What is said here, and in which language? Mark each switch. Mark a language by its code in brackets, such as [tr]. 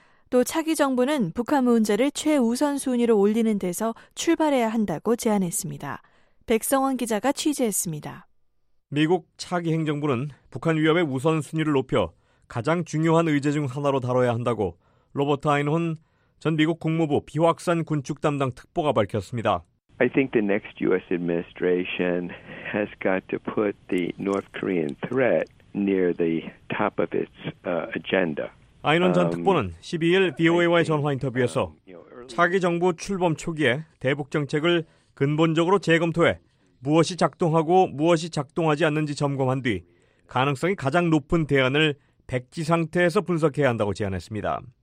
[ko] 또 차기 정부는 북한 문제를 최우선순위로 올리는 데서 출발해야 한다고 제안했습니다. 백성원 기자가 취재했습니다. 미국 차기 행정부는 북한 위협의 우선순위를 높여 가장 중요한 의제 중 하나로 다뤄야 한다고 로버트 아인혼 전 미국 국무부 비확산 군축 담당 특보가 밝혔습니다. [en] I think the next U.S. administration has got to put the North Korean threat near the top of its agenda. [ko] 아이논 전 특보는 12일 VOA와의 전화 인터뷰에서 차기 정부 출범 초기에 대북 정책을 근본적으로 재검토해 무엇이 작동하고 무엇이 작동하지 않는지 점검한 뒤 가능성이 가장 높은 대안을 백지 상태에서 분석해야 한다고 제안했습니다.